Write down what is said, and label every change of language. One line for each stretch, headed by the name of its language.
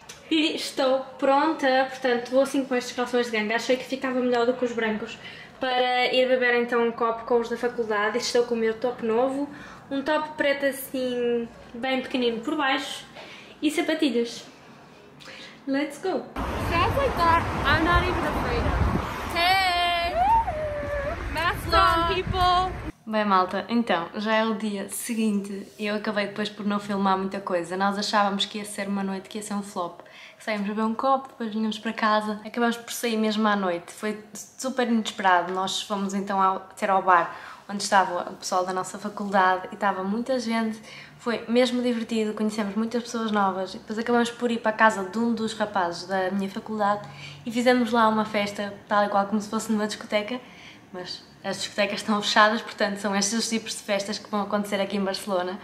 Portuguese: E estou pronta, portanto vou assim com estes calções de ganga, achei que ficava melhor do que os brancos para ir beber então um copo com os da faculdade. Estou com o meu top novo, um top preto assim bem pequenino por baixo e sapatilhas.
English: Let's go! Sounds like that, I'm not even afraid of. Hey! Mask on, people!
Portuguese: Bem malta, então, já é o dia seguinte, eu acabei depois por não filmar muita coisa, nós achávamos que ia ser uma noite, que ia ser um flop, saímos a beber um copo, depois vinhamos para casa, acabamos por sair mesmo à noite, foi super inesperado, nós fomos então ao bar onde estava o pessoal da nossa faculdade e estava muita gente, foi mesmo divertido, conhecemos muitas pessoas novas, depois acabamos por ir para a casa de um dos rapazes da minha faculdade e fizemos lá uma festa, tal e qual como se fosse numa discoteca, mas as discotecas estão fechadas, portanto são estes os tipos de festas que vão acontecer aqui em Barcelona.